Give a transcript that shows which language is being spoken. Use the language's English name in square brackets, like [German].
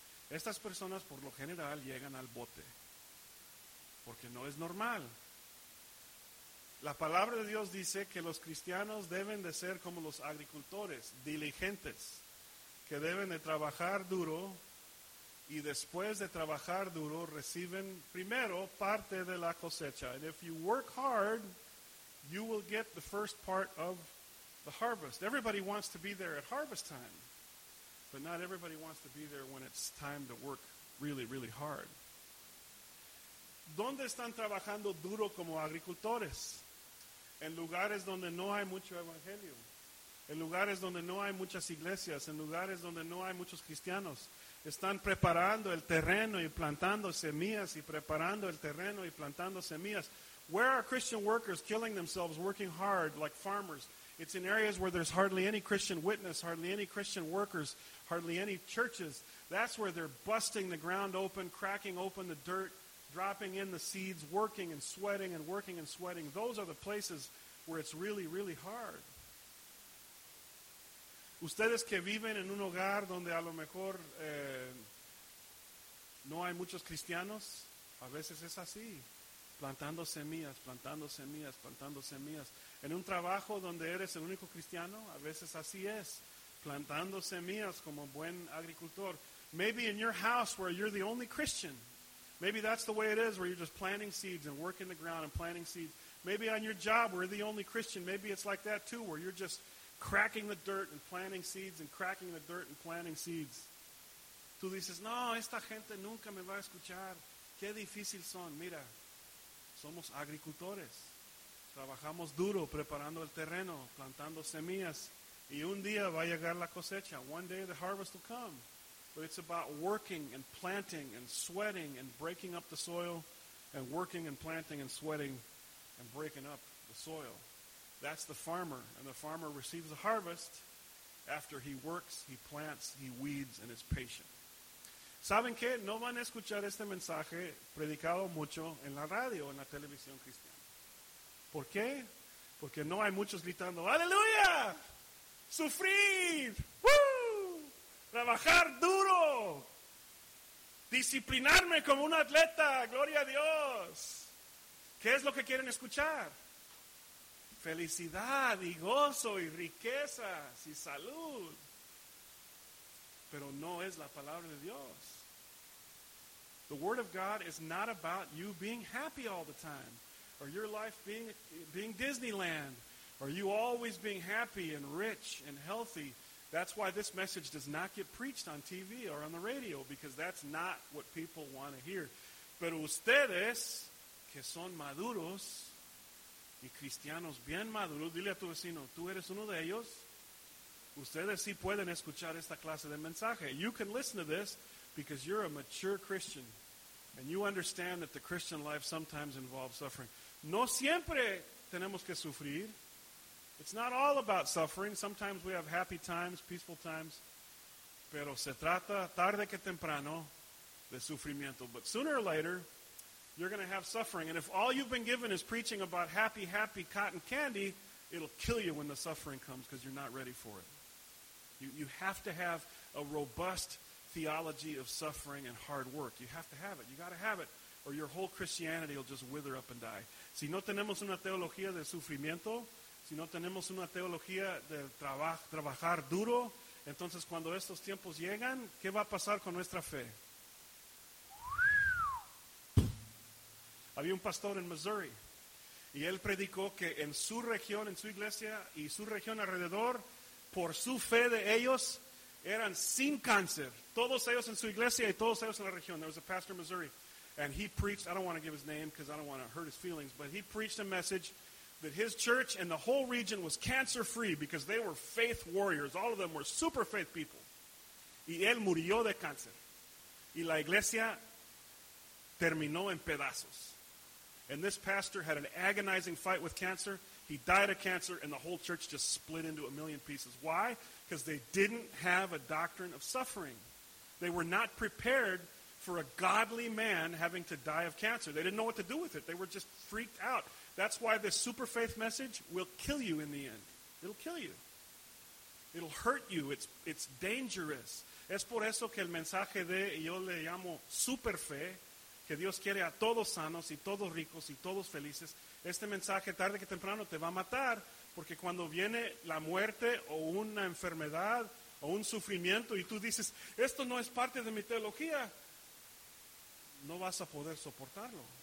[Spanish] Estas personas, por lo general, llegan al bote, porque no es normal. La palabra de Dios dice que los cristianos deben de ser como los agricultores, diligentes, que deben de trabajar duro, y después de trabajar duro, reciben primero parte de la cosecha. [English] And if you work hard, you will get the first part of the harvest. Everybody wants to be there at harvest time, but not everybody wants to be there when it's time to work really, really hard. [Spanish] ¿Dónde están trabajando duro como agricultores? En lugares donde no hay mucho evangelio. En lugares donde no hay muchas iglesias. En lugares donde no hay muchos cristianos. Están preparando el terreno y plantando semillas y preparando el terreno y plantando semillas. [English] Where are Christian workers killing themselves, working hard like farmers? It's in areas where there's hardly any Christian witness, hardly any Christian workers, hardly any churches. That's where they're busting the ground open, cracking open the dirt, dropping in the seeds, working and sweating and working and sweating. Those are the places where it's really, really hard. [Spanish] Ustedes que viven en un hogar donde a lo mejor no hay muchos cristianos, a veces es así. Plantando semillas, plantando semillas, plantando semillas. En un trabajo donde eres el único cristiano, a veces así es. Plantando semillas como buen agricultor. [English] Maybe in your house where you're the only Christian. Maybe that's the way it is, where you're just planting seeds and working the ground and planting seeds. Maybe on your job where you're the only Christian. Maybe it's like that too, where you're just cracking the dirt and planting seeds and cracking the dirt and planting seeds. [Spanish] Tú dices, no, esta gente nunca me va a escuchar. Qué difícil son, mira. Somos agricultores. Trabajamos duro preparando el terreno, plantando semillas. Y un día va a llegar la cosecha. [English] One day the harvest will come. But it's about working and planting and sweating and breaking up the soil and working and planting and sweating and breaking up the soil. That's the farmer. And the farmer receives a harvest after he works, he plants, he weeds, and is patient. [Spanish] ¿Saben qué? No van a escuchar este mensaje predicado mucho en la radio, en la televisión cristiana. ¿Por qué? Porque no hay muchos gritando, ¡Aleluya! ¡Sufrir! ¡Woo! ¡Trabajar duro! ¡Disciplinarme como un atleta! ¡Gloria a Dios! ¿Qué es lo que quieren escuchar? Felicidad y gozo y riquezas y salud. Pero no es la palabra de Dios. [English] The word of God is not about you being happy all the time, or your life being Disneyland, or you always being happy and rich and healthy. That's why this message does not get preached on TV or on the radio, because that's not what people want to hear. [Spanish] Pero ustedes, que son maduros, y cristianos bien maduros, dile a tu vecino, tú eres uno de ellos. Ustedes sí pueden escuchar esta clase de mensaje. [English] You can listen to this because you're a mature Christian. And you understand that the Christian life sometimes involves suffering. [Spanish] No siempre tenemos que sufrir. [English] It's not all about suffering. Sometimes we have happy times, peaceful times. [Spanish] Pero se trata tarde que temprano de sufrimiento. [English] But sooner or later, you're going to have suffering. And if all you've been given is preaching about happy, happy cotton candy, it'll kill you when the suffering comes because you're not ready for it. You have to have a robust theology of suffering and hard work. You have to have it. You got to have it or your whole Christianity will just wither up and die. [Spanish] Si no tenemos una teología de sufrimiento, si no tenemos una teología de trabajar duro, entonces cuando estos tiempos llegan, ¿qué va a pasar con nuestra fe? Había un pastor en Missouri y él predicó que en su región, en su iglesia y su región alrededor, por su fe de ellos, eran sin cáncer. Todos ellos en su iglesia y todos ellos en la región. [English] There was a pastor in Missouri and he preached, I don't want to give his name because I don't want to hurt his feelings, but he preached a message that his church and the whole region was cancer free because they were faith warriors. All of them were super faith people. [Spanish] Y él murió de cáncer. [English] Y la iglesia terminó en pedazos. And this pastor had an agonizing fight with cancer. He died of cancer and the whole church just split into a million pieces. Why? Because they didn't have a doctrine of suffering. They were not prepared for a godly man having to die of cancer. They didn't know what to do with it. They were just freaked out. That's why this super faith message will kill you in the end. It'll kill you. It'll hurt you. It's dangerous. [Spanish] Es por eso que el mensaje de, yo le llamo super fe, que Dios quiere a todos sanos y todos ricos y todos felices. Este mensaje tarde que temprano te va a matar porque cuando viene la muerte o una enfermedad o un sufrimiento y tú dices, esto no es parte de mi teología, no vas a poder soportarlo.